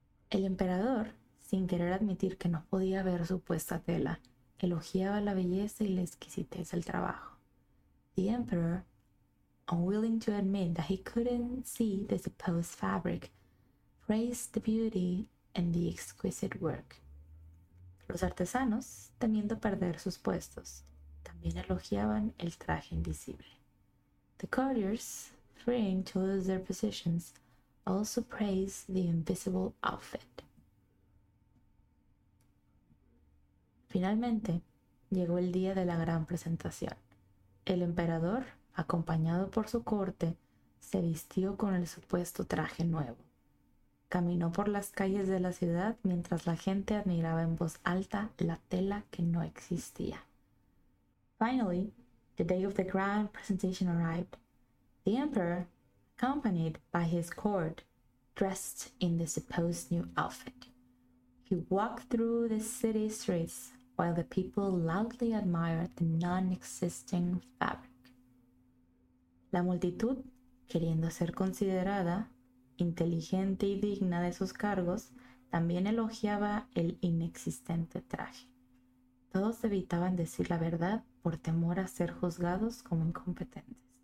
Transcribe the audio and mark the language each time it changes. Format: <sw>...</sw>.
<es>El emperador, sin querer admitir que no podía ver su puesta tela, elogiaba la belleza y la exquisitez del trabajo.</es> <en>The emperor, unwilling to admit that he couldn't see the supposed fabric, praised the beauty and the exquisite work.</en> <es>Los artesanos, temiendo perder sus puestos, también elogiaban el traje invisible.</es> <en>The courtiers, fearing to lose their positions, also praised the invisible outfit.</en> <es>Finalmente, llegó el día de la gran presentación. El emperador, acompañado por su corte, se vistió con el supuesto traje nuevo. Caminó por las calles de la ciudad mientras la gente admiraba en voz alta la tela que no existía.</es> <en>Finally, the day of the grand presentation arrived. The emperor, accompanied by his court, dressed in the supposed new outfit. He walked through the city streets while the people loudly admired the non-existing fabric.</en> <es>La multitud, queriendo ser considerada inteligente y digna de sus cargos, también elogiaba el inexistente traje. Todos evitaban decir la verdad por temor a ser juzgados como incompetentes.</es>